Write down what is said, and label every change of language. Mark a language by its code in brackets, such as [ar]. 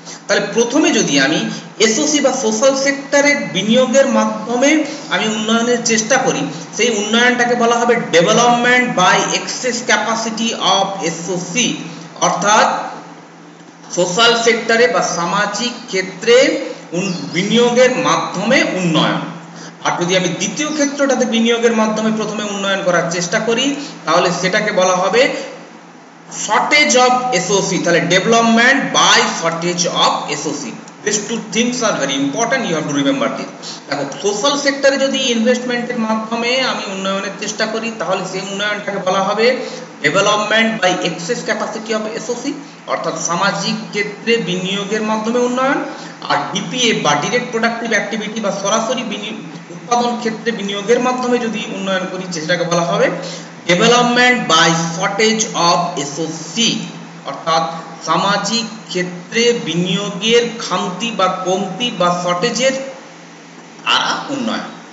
[bn] তাহলে প্রথমে যদি আমি এসওসি বা সোশ্যাল সেক্টরে বিনিয়োগের মাধ্যমে আমি উন্নয়নের চেষ্টা করি, সেই উন্নয়নটাকে বলা হবে development by access capacity of SOC, অর্থাৎ সোশ্যাল সেক্টরে বা সামাজিক ক্ষেত্রে বিনিয়োগের মাধ্যমে উন্নয়ন। আর যদি আমি দ্বিতীয় ক্ষেত্রটাতে বিনিয়োগের মাধ্যমে প্রথমে উন্নয়ন করার চেষ্টা করি, তাহলে সেটাকে বলা হবে শর্টেজ অফ এসওসি, তাহলে development by shortage of SOC. [en] These two things are very important, you have to remember this. [bn] দেখো সোশ্যাল সেক্টরে যদি ইনভেস্টমেন্টের মাধ্যমে আমি উন্নয়নের চেষ্টা করি, তাহলে সেই উন্নয়নটাকে বলা হবে development by access capacity of SOC, অর্থাৎ সামাজিক ক্ষেত্রে বিনিয়োগের মাধ্যমে উন্নয়ন। আর ডিপিএ বা ডিরেক্ট প্রোডাক্টিভ অ্যাক্টিভিটি বা সরাসরি উৎপাদন ক্ষেত্রে বিনিয়োগের মাধ্যমে যদি উন্নয়ন করি, সেটাকে বলা হবে development by shortage of SOC, অর্থাৎ সামাজিক ক্ষেত্রে বিনিয়োগের খামতি বা কমতি বা শর্টেজের দ্বারা উন্নয়ন।